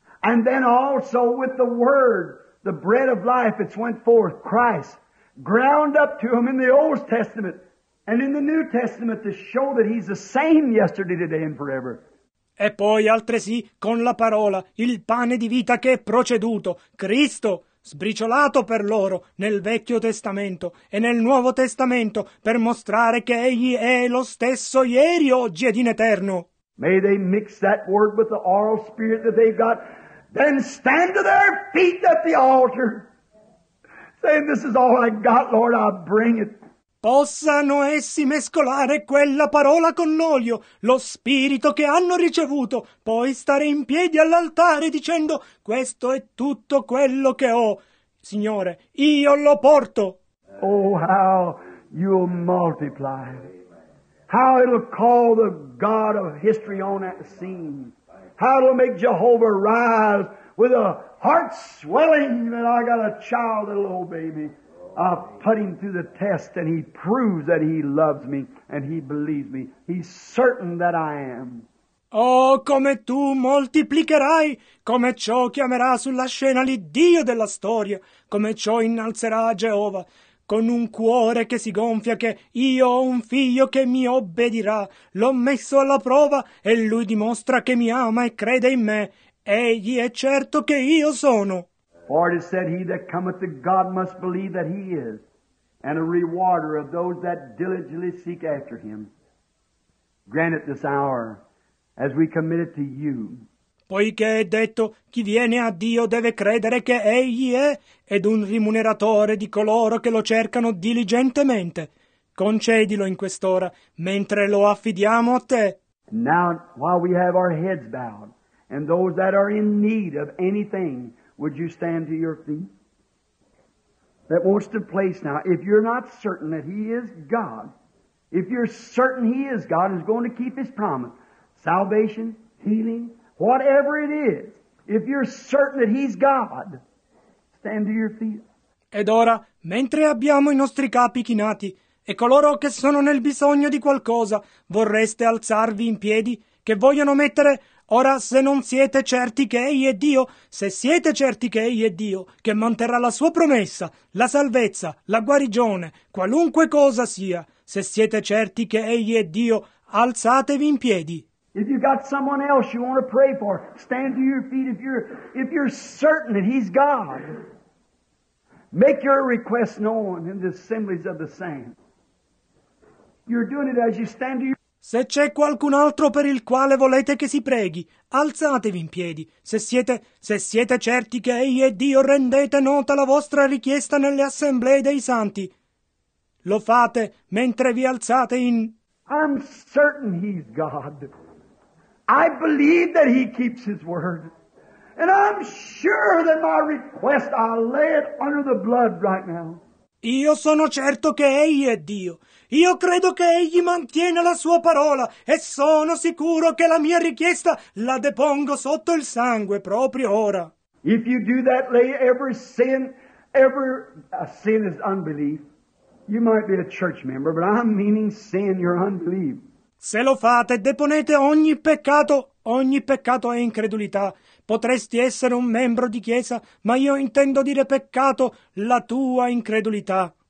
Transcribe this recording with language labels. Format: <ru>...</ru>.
<en>And then also with the word, the bread of life, it's went forth, Christ, ground up to him in the Old Testament and in the New Testament to show that he's the same yesterday, today and forever.</en> <it>E poi altresì con la parola, il pane di vita che è proceduto, Cristo, sbriciolato per loro nel Vecchio Testamento e nel Nuovo Testamento, per mostrare che Egli è lo stesso ieri, oggi ed in eterno.</it> <en>May they mix that word with the oral spirit that they've got, then stand to their feet at the altar. saying, this is all I got, Lord, I'll bring it.</en> <it>Possano essi mescolare quella parola con l'olio, lo spirito che hanno ricevuto, poi stare in piedi all'altare dicendo, questo è tutto quello che ho. Signore, io lo porto.</it> <en>Oh, how you'll multiply. How it'll call the God of history on that scene. How it'll make Jehovah rise with a heart swelling that I got a child that'll obey me. I'll put him through the test and he proves that he loves me and he believes me. He's certain that I am.</en> <it>Oh, come tu moltiplicherai, come ciò chiamerà sulla scena l'Iddio della storia, come ciò innalzerà Geova, con un cuore che si gonfia che io ho un figlio che mi obbedirà. L'ho messo alla prova e lui dimostra che mi ama e crede in me. Egli è certo che io sono.</it> <en>For it is said, he that cometh to God must believe that he is, and a rewarder of those that diligently seek after him. Grant it this hour, as we commit it to you.</en> <it>Poiché è detto, chi viene a Dio deve credere che egli è, ed un rimuneratore di coloro che lo cercano diligentemente. Concedilo in quest'ora, mentre lo affidiamo a te.</it> <en>Now, while we have our heads bowed, and those that are in need of anything, would you stand to your feet? That wants to place now, if you're not certain that he is God, if you're certain he is God and is going to keep his promise, salvation, healing, whatever it is, if you're certain that he's God, stand to your feet.</en> <it>Ed ora, mentre abbiamo i nostri capi chinati e coloro che sono nel bisogno di qualcosa, vorreste alzarvi in piedi che vogliono mettere... Ora, se non siete certi che Egli è Dio, se siete certi che Egli è Dio, che manterrà la sua promessa, la salvezza, la guarigione, qualunque cosa sia, se siete certi che Egli è Dio, alzatevi in piedi.</it> <en>If you got someone else you want to pray for, stand to your feet if you're certain that He's God. Make your request known in the assemblies of the saints. You're doing it as you stand to your...</en> <it>Se c'è qualcun altro per il quale volete che si preghi, alzatevi in piedi. Se siete certi che Egli è Dio, rendete nota la vostra richiesta nelle assemblee dei santi. Lo fate mentre vi alzate in...</it> <en>I'm certain he's God. I believe that he keeps his word. And I'm sure that my request, I'll lay it under the blood right now.</en> <it>Io sono certo che Egli è Dio. Io credo che Egli mantiene la sua parola e sono sicuro che la mia richiesta la depongo sotto il sangue proprio ora.</it> <en>If you do that, lay every sin is unbelief. You might be a church member, but I'm meaning sin, your unbelief.</en> <it>Se lo fate, deponete ogni peccato è incredulità. Potresti essere un membro di chiesa, ma io intendo dire peccato, la tua incredulità.</it>